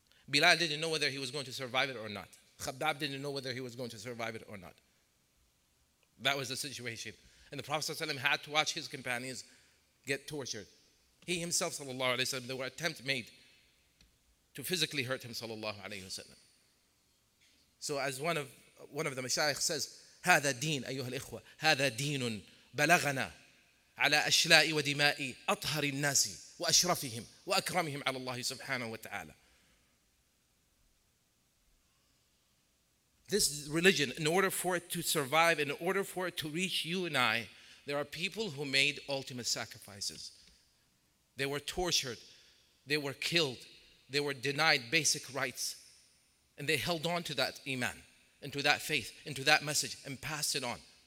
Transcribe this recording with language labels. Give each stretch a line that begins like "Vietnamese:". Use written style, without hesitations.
English: Bilal didn't know whether he was going to survive it or not. Khabbab didn't know whether he was going to survive it or not. That was the situation. And the Prophet ﷺ had to watch his companions get tortured. He himself, sallallahu alayhi wa sallam, there were attempts made to physically hurt him, sallallahu alayhi wa sallam. So as one of the mashayikh says,
Arabic: هذا دين أيها الإخوة هذا دين بلغنا على أشلاء ودماء أطهر الناس وأشرفهم وأكرمهم على الله سبحانه وتعالى.
English: This religion, in order for it to survive, in order for it to reach you and I, there are people who made ultimate sacrifices. They were tortured, they were killed, they were denied basic rights, and they held on to that iman, into that faith, into that message, and passed it on.